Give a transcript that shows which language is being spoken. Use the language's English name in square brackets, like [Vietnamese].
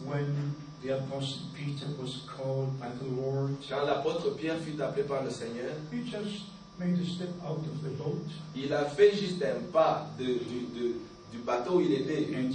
[English] When the apostle Peter was called by the Lord. [French] Quand l'apôtre Pierre fut appelé par le Seigneur. [English] He just made a step out of the boat. [French] Il a fait juste un pas du bateau où il était.